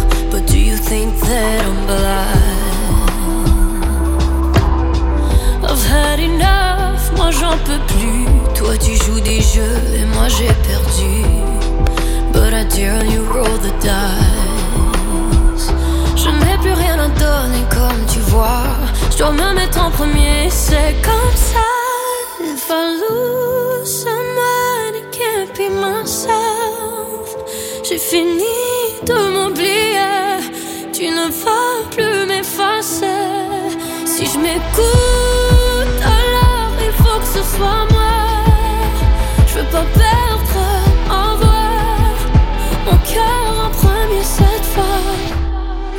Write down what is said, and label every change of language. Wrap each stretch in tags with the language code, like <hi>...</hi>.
<en>But do you think that I'm blind? I've had enough,</en> <fr>moi j'en peux plus. Toi tu joues des jeux et moi j'ai perdu.</fr> <en>But I dare you roll the dice.</en> <fr>Je n'ai plus rien à donner comme tu vois. Je dois me mettre en premier, c'est comme ça.</fr> <en>If I lose someone, it can't be myself.</en> <fr>J'ai fini de m'oublier, tu ne vas plus m'effacer. Si je m'écoute, alors il faut que ce soit moi. Je veux pas perdre ma voix, mon cœur en premier cette fois.</fr>